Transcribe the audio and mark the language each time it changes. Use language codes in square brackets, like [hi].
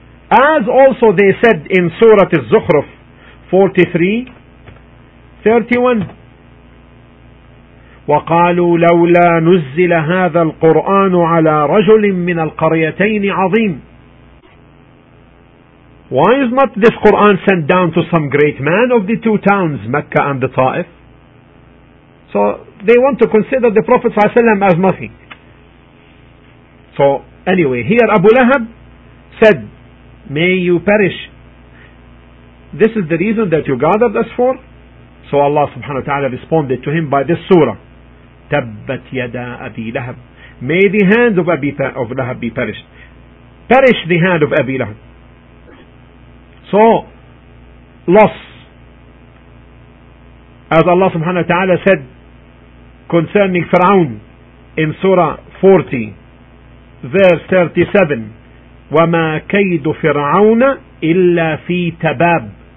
[en] As also they said in Surah Al-Zukhruf 43:31, [ar] وَقَالُوا لَوْلَا نُزِّلَ هَذَا الْقُرْآنُ عَلَىٰ رَجُلٍ مِّنَ الْقَرْيَتَيْنِ عَظِيمٍ. [en] Why is not this Quran sent down to some great man of the two towns, Mecca and the Taif? So they want to consider the Prophet ﷺ as nothing. So anyway, here Abu Lahab said, may you perish. This is the reason that you gathered us for. So Allah subhanahu wa ta'ala responded to him by this surah, [ar] تَبَّتْ يَدَا أَبِي لَهَب, [en] may the hand of Abi of Lahab be perished. Perish the hand of Abi Lahab. So loss, as Allah subhanahu wa ta'ala said concerning Fir'aun in Surah 40 verse 37, [ar] وما كيد فرعون إلا في تباب.